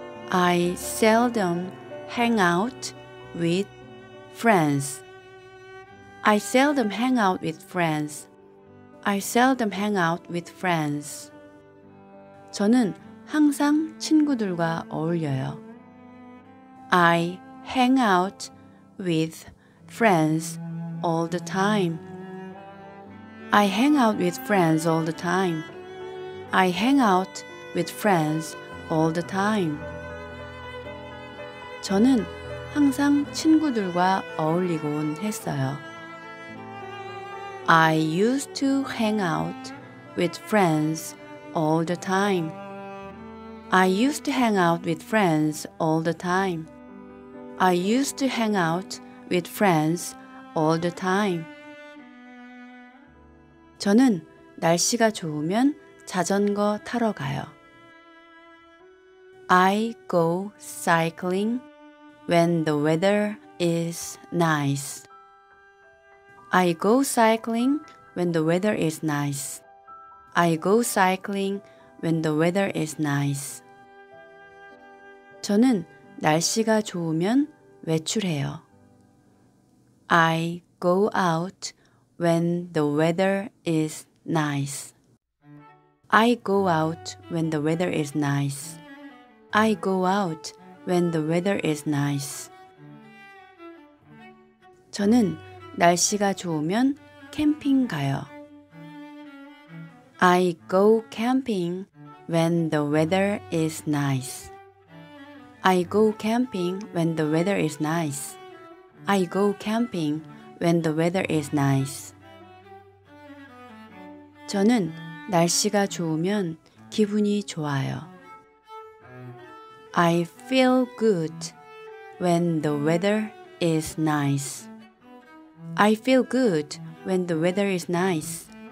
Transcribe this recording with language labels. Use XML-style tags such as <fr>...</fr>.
<en>I seldom hang out with friends. I seldom hang out with friends. I seldom hang out with friends.</en> <ko>저는 항상 친구들과 어울려요.</ko> <en>I hang out with friends all the time. I hang out with friends all the time. I hang out with friends all the time.</en> <ko>저는 항상 친구들과 어울리곤 했어요.</ko> <en>I used to hang out with friends all the time. I used to hang out with friends all the time. I used to hang out with friends all the time.</en> <ko>저는 날씨가 좋으면 자전거 타러 가요.</ko> <en>I go cycling when the weather is nice. I go cycling when the weather is nice. I go cycling when the weather is nice.</en> <ko>저는 날씨가 좋으면 외출해요.</ko> <en>I go out when the weather is nice. I go out when the weather is nice. I go out when the weather is nice.</en> <ko>저는 날씨가 좋으면 캠핑 가요.</ko> <en>I go camping when the weather is nice. I go camping when the weather is nice. I go camping when the weather is nice.</en> <ko>저는 날씨가 좋으면 기분이 좋아요.</ko> <en>I feel good when the weather is nice. I feel good when the weather is nice.</en>